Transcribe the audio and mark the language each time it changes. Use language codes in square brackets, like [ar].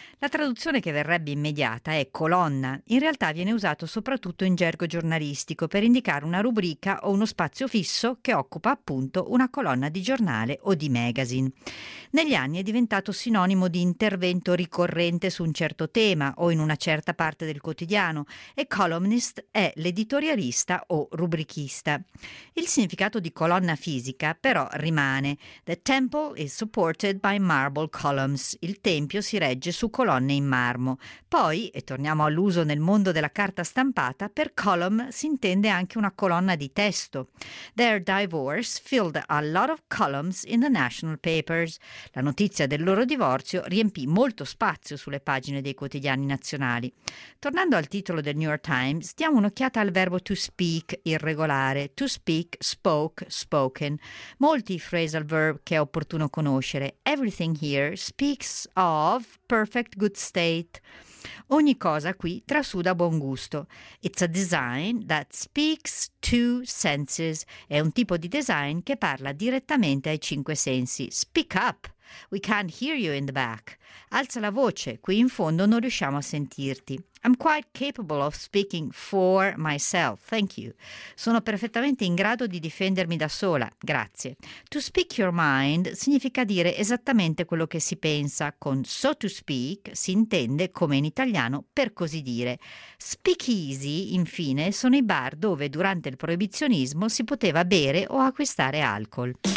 [it] La traduzione che verrebbe immediata è colonna. In realtà viene usato soprattutto in gergo giornalistico per indicare una rubrica o uno spazio fisso che occupa appunto una colonna di giornale o di magazine. Negli anni è diventato sinonimo di intervento ricorrente su un certo tema o in una certa parte del quotidiano, e columnist è l'editorialista o rubrichista. Il significato di colonna fisica però rimane. [en] The temple is supported by marble columns. [it] Il tempio si regge su colonne in marmo. Poi, e torniamo all'uso nel mondo della carta stampata, per column si intende anche una colonna di testo. [en] Their divorce filled a lot of columns in the national papers. [it] La notizia del loro divorzio riempì molto spazio sulle pagine dei quotidiani nazionali. Tornando al titolo del New York Times, diamo un'occhiata al verbo to speak irregolare, to speak, spoke, spoken, molti phrasal verb che è opportuno conoscere. [en] Everything here speaks of perfect good state. [it] Ogni cosa qui trasuda buon gusto. It's a design that speaks to senses. È un tipo di design che parla direttamente ai cinque sensi. [en] Speak up. We can't hear you in the back. [it] Alza la voce, qui in fondo non riusciamo a sentirti. [en] I'm quite capable of speaking for myself, thank you. [it] Sono perfettamente in grado di difendermi da sola, grazie. [en] To speak your mind [it] significa dire esattamente quello che si pensa. Con [en] so to speak [it] si intende, come in italiano, per così dire. Speakeasy, infine, sono i bar dove durante il proibizionismo si poteva bere o acquistare alcol.